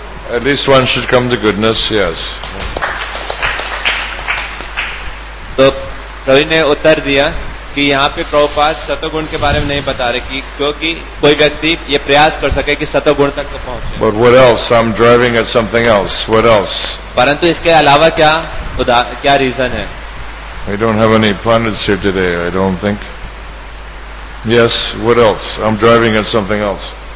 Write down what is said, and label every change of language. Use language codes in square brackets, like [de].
[en] At least one should come to goodness, yes. [hi] तो रवि ने उत्तर दिया कि यहाँ पे प्रभुपाद सतोगुण के बारे में नहीं बता रहे कि क्योंकि कोई व्यक्ति ये प्रयास कर सके कि सतोगुण तक तो पहुंचे. [en] But what else? I'm driving at something else. What else? [hi] परंतु इसके अलावा क्या क्या रीजन है? [en] We don't have any pundits here today, I don't think. Yes, what else? I'm driving at something else.